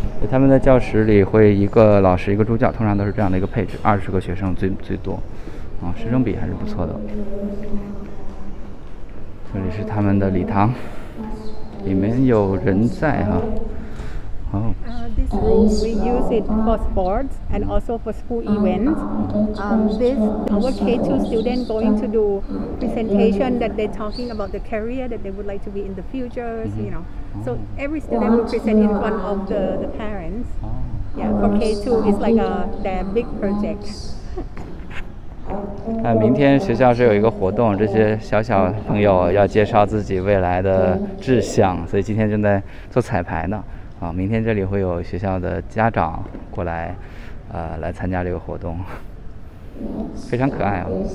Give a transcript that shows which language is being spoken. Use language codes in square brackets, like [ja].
[zh] 他们在教室里会一个老师一个助教，通常都是这样的一个配置，二十个学生最多，啊，师生比还是不错的。这里是他们的礼堂，里面有人在哈，哦。 [en] This room we use it for sports and also for school events. This our K2 student going to do presentation that they're talking about the career that they would like to be in the future. You know. So every student will present in front of the parents. Yeah, for K2 is like their big project. [zh] 明天学校是有一个活动，这些小小朋友要介绍自己未来的志向，所以今天正在做彩排呢。啊，明天这里会有学校的家长过来，来参加这个活动，非常可爱啊。